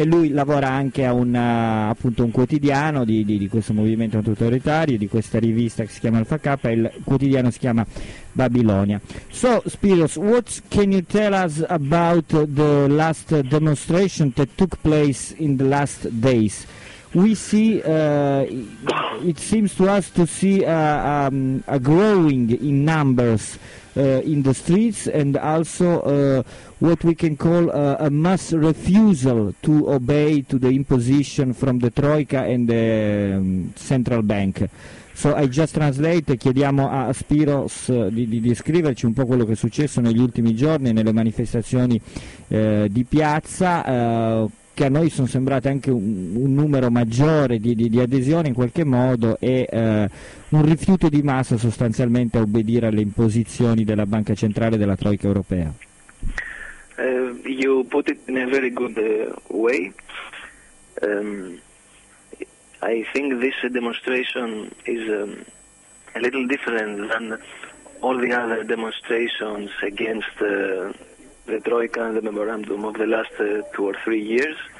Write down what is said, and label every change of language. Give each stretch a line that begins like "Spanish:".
Italian: E lui lavora anche a un appunto un quotidiano di questo movimento autoritario, di questa rivista che si chiama Alpha Kappa, il quotidiano si chiama Babilonia.
English: So, Spiros, what can you tell us about the last demonstration that took place in the last days? We see, it seems to us to see a growing in numbers in the streets, and also what we can call a mass refusal to obey to the imposition from the Troika and the central bank. So I just translate,
Italian: chiediamo a Spiros di descriverci un po' quello che è successo negli ultimi giorni nelle manifestazioni di piazza, che a noi sono sembrate anche un numero maggiore di adesione in qualche modo e un rifiuto di massa sostanzialmente a obbedire alle imposizioni della Banca Centrale della Troika Europea.
English: You put it in a very good way. I think this demonstration is a little different than all the other demonstrations against the Troika and the memorandum of the last two or three years.